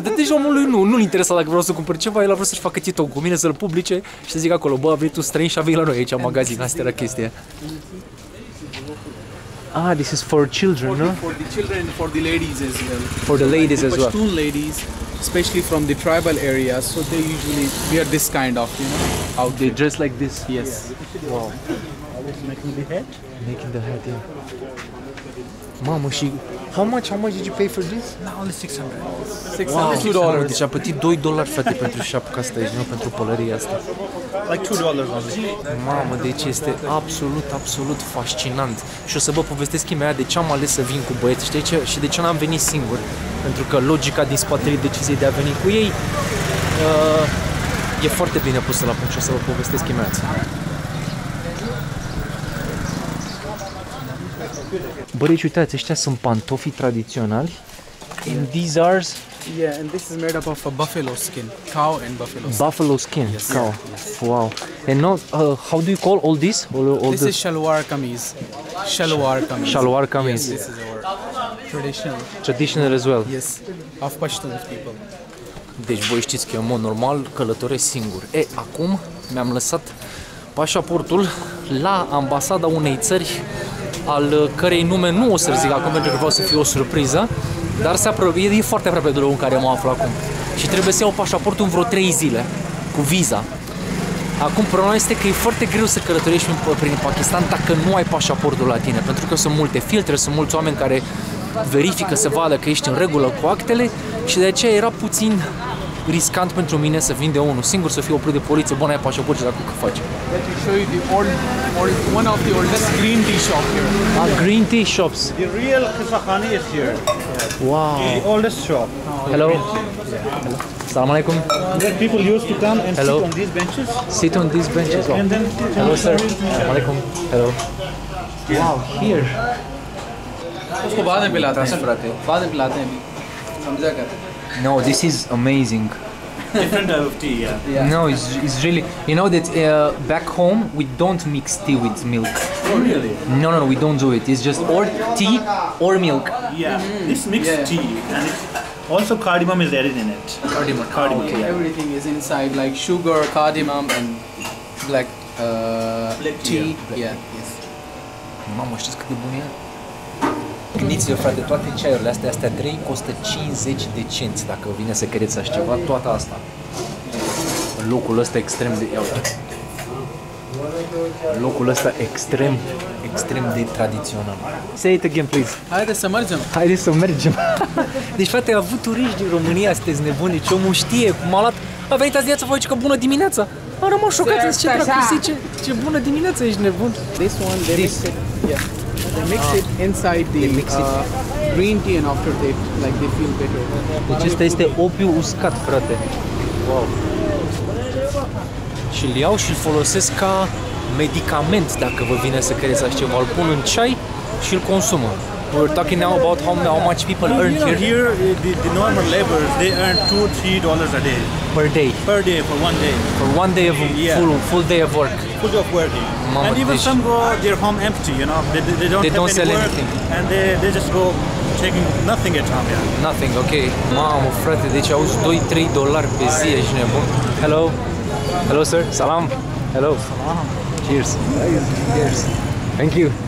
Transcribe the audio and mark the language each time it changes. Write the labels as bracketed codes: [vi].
[ro] Da, deci omului nu-l interesa dacă vreau să cumpăr ceva, el a vrut să-și facă TikTok cu mine, să-l publice și să zic acolo, bă, a venit un străin și a venit la noi aici, magazin, asta era chestia. [en] Ah, this is for children, no? For the children, for the ladies as well. For the ladies as well. Pashtun ladies, especially from the tribal areas, so they usually wear this kind of, you know. How they dress like this? Yes. Wow. Making the hat? Making the hat, yeah. [ro] Mamă, și [en] how much did you pay for this? No, only 600. $2. [ro] Deci a plătit $2, frate, pentru șapca asta aici, nu pentru pălăria asta. [en] Like $2 only. [ro] Mamă, deci este absolut fascinant. Și o să vă povestesc imediat de ce am ales să vin cu băieți, știi ce? Și de ce n-am venit singur. Pentru că logica din spatele deciziei de a veni cu ei, e foarte bine pusă la punct și o să vă povestesc imediat. Bă, deci uitați, ăștia sunt pantofii tradiționali. [en] And these are... Yeah, and this is made up of a buffalo skin. Cow and buffalo skin. Buffalo skin, yes. Cow. Yes. Wow. And now, how do you call all this? All this is shalwar kameez. Shalwar kameez. Shalwar kameez. Yes, this is our traditional. Traditional as well. Yes, of Pashtun people. [ro] Deci voi știți că eu, în mod normal, călătoresc singur. E, acum mi-am lăsat pașaportul la ambasada unei țări al cărei nume nu o să zic acum pentru că vreau să fie o surpriză, dar se apropie, e foarte aproape de locul în care mă aflu acum și trebuie să iau pașaportul în vreo 3 zile cu viza. Acum problema este că e foarte greu să călătorești prin Pakistan dacă nu ai pașaportul la tine, pentru că sunt multe filtre, sunt mulți oameni care verifică să vadă că ești în regulă cu actele și de aceea era puțin riscant pentru mine să vin de unul singur, să fiu oprit de poliție, bă, n-ai pașaport, ce dacă că faci? [en] Let me show you the one of the oldest green tea shop here. Ah, green tea shops. The real Kisakhani is here. Wow. The oldest shop. Hello. Hello. Assalamu alaikum. People used to come and sit on these benches. Sit on these benches. And then hello, sir. Assalamu alaikum. Hello. Wow, here. [ur] Usko baad mein pilate hain, [ro] frate. [ur] Baad mein pilate hain. Samjha kehte. [en] No, this is amazing. Different type of tea, yeah. No, it's really... You know that back home, we don't mix tea with milk. Oh, really? No, we don't do it. It's just or tea or milk. Yeah, mm-hmm. It's mixed tea. And it's, Also, cardamom is added in it. Cardamom. Okay. Everything is inside, like sugar, cardamom, and black tea. [ro] Mamă, știți cât de bun e? Gândiți-vă, frate, toate ceaiurile astea, astea 3, costă 50 de cenți, dacă vine să credeți așa ceva, toată asta. Locul ăsta extrem de... Locul ăsta extrem, extrem de tradițional. [en] Say it again, please. [ro] Haideți să mergem. Haideți să mergem. Deci, frate, a avut turiști din România, sunteți nebuni, ce omul știe, m-a luat... A venit azi viața, vă zice că bună dimineața. Am rămas șocat, zice, ce bună dimineața, ești nebun. [en] This one, they mix it, they mix it inside the green tea and after that, like they feel better. [ro] Deci ăsta este opiu uscat, frate. [en] Wow. [ro] Și îl iau și îl folosesc ca medicament, dacă vă vine să credeți așa ceva. Îl pun în ceai și îl consumă. [en] We're talking now about how much people earn here. Here, the normal laborers, they earn $2-3 a day. Per day? Per day, for one day. For one day of full day of work. Full day of working. [ro] Mamă [en] and even [ro] deși. [en] Some go their home empty, you know. They don't they have don't any sell work. Anything. And they just go taking nothing at home, yeah. Nothing, okay. [ro] Mamă, frate, deci auzi $2-3 pe zi, ești nebun. [en] Hello. Hello, sir. Salam. Hello. Salam. Cheers. Cheers. Thank you.